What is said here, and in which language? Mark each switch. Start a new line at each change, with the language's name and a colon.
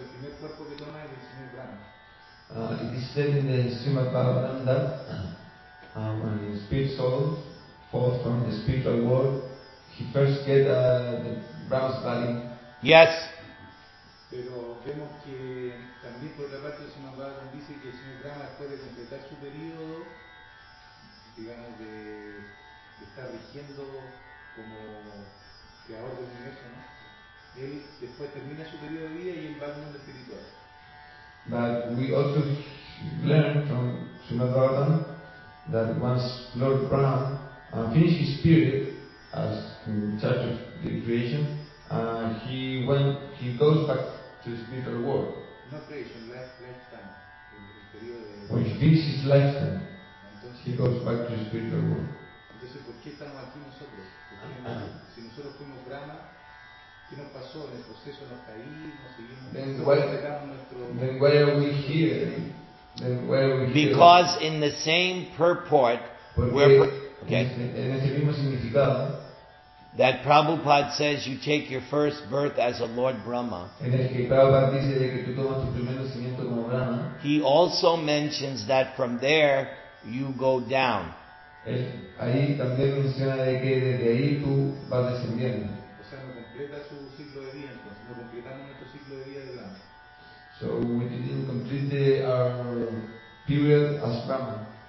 Spanish: El primer cuerpo que toma es el señor Brahma.
English: It is said in the Shrimad Bhagavatam that when the spirit soul falls from the spiritual world, he first gets the Brahma's body. Yes.
Spanish: Pero vemos que también por otra parte el señor Brahma dice que el señor Brahma puede completar su periodo, digamos, de estar rigiendo como creador del universo, ¿no? Él después termina su periodo de vida y él va al mundo espiritual.
English: But we also learn from Srimad Bhagavatam that once Lord Brahma finished his period as in charge of the creation, he goes back to the spiritual world. No creation, lifetime. which this is lifetime, entonces, he goes back to the spiritual world.
Spanish: Entonces, ¿por qué estamos aquí nosotros? Si nosotros fuimos Brahma, ¿qué nos pasó? En el proceso nos caímos, seguimos.
English: Then why are we here? Then why are we here? Because in the same purport,
Spanish: en ese mismo significado,
English: that Prabhupada says you take your first birth as a Lord Brahma.
Spanish: En el que Prabhupada dice de que tú tomas tu primer nacimiento como Brahma.
English: He also mentions that from there you go down.
Spanish: Él ahí también menciona de que desde ahí tú vas descendiendo. O sea, no completa su ciclo de vida, entonces no completamos nuestro ciclo de vida de Brahma.
English: So we didn't complete our period as Brahma.